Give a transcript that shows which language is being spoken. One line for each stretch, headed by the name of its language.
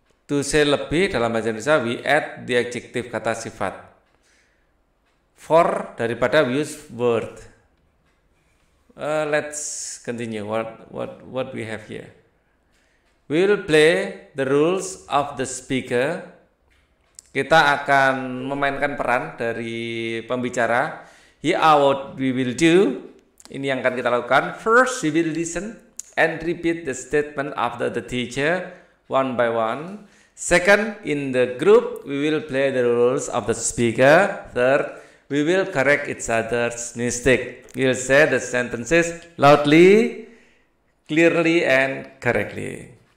English: To say lebih dalam bahasa Indonesia, we add the adjective
Indonesian: kata sifat.
English: For, daripada we use word. Let's continue what we have here. We will play the roles of the speaker.
Indonesian: Kita akan memainkan peran dari pembicara.
English: Here are what we will do.
Indonesian: Ini yang akan kita lakukan.
English: First, we will listen and repeat the statement after the teacher one by one. Second, in the group, we will play the roles of the speaker. Third, we will correct each other's mistake. We will say the sentences loudly, clearly, and correctly.